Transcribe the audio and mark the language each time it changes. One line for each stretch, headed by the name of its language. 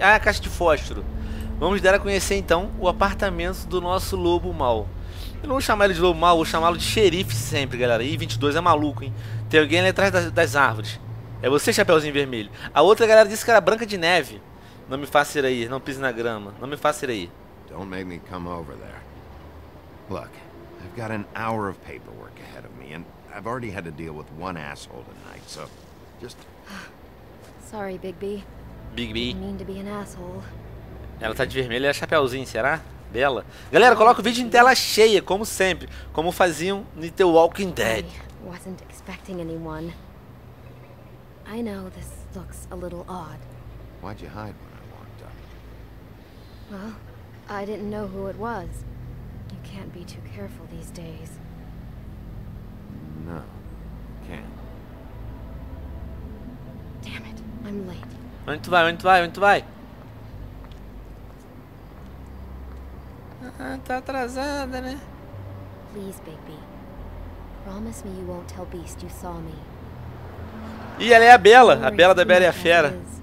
Portuguese: Ah, a caixa de fósforo. Vamos dar a conhecer então o apartamento do nosso lobo mau. Eu não vou chamar ele de lobo mau, vou chamá-lo de xerife sempre, galera. Ih, 22 é maluco, hein? Tem alguém ali atrás das árvores. É você, Chapeuzinho Vermelho. A outra galera disse que era Branca de Neve. Não me faça ir aí, não pise na grama. Não me faça ir aí.
English: Don't make me come over there. Look, I've got an hour of paperwork ahead of me and I've already had to deal with one asshole tonight, so just sorry, Bigby. Bigby. Didn't mean to be an asshole.
Portuguese: Ela tá de vermelho e é Chapeuzinho, será? Bela. Galera, coloca o vídeo em tela cheia, como sempre, como faziam no The Walking Dead.
English: Wasn't expecting anyone. I know this looks a little odd. Why'd you hide when I walked up? Well, I didn't know who it was. You can't be too careful these days. No, can't. Damn it, I'm late.
Portuguese: Onde tu vai? Onde tu vai? Onde tu vai? Ah, tá atrasada, né?
English: Please, Bigby. Promise me you won't tell Beast you saw me.
Portuguese: E ela é a Bela, a Bela da Bela e a Fera.